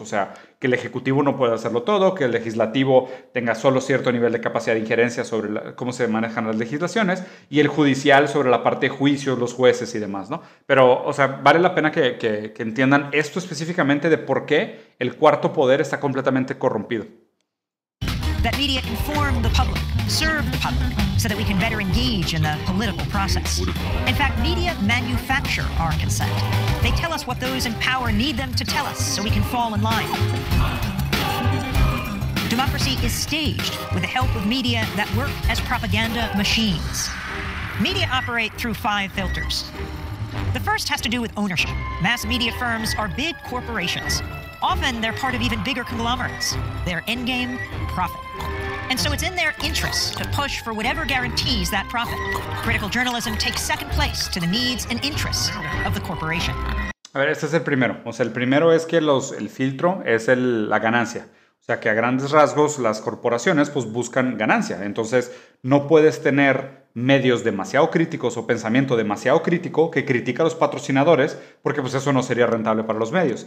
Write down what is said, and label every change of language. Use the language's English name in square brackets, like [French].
[Spanish] O sea, que el Ejecutivo no pueda hacerlo todo, que el Legislativo tenga solo cierto nivel de capacidad de injerencia sobre cómo se manejan las legislaciones y el Judicial sobre la parte de juicios, los jueces y demás, ¿no? Pero, o sea, vale la pena que entiendan esto específicamente de por qué el cuarto poder está completamente corrompido. [English] That media inform the public, serve the public, so that we can better engage in the political process. In fact, media manufacture our consent. They tell us what those in power need them to tell us so we can fall in line. Democracy is staged with the help of media that work as propaganda machines. Media operate through five filters. The first has to do with ownership. Mass media firms are big corporations. Often, they're part of even bigger conglomerates. Their endgame, profit. And so it's in their interest to push for whatever guarantees that profit. Critical journalism takes second place to the needs and interests of the corporation. [Spanish] A ver, este es el primero. O sea, el primero es que el filtro es la ganancia. O sea, que a grandes rasgos las corporaciones pues buscan ganancia. Entonces, no puedes tener medios demasiado críticos o pensamiento demasiado crítico que critica a los patrocinadores porque pues eso no sería rentable para los medios.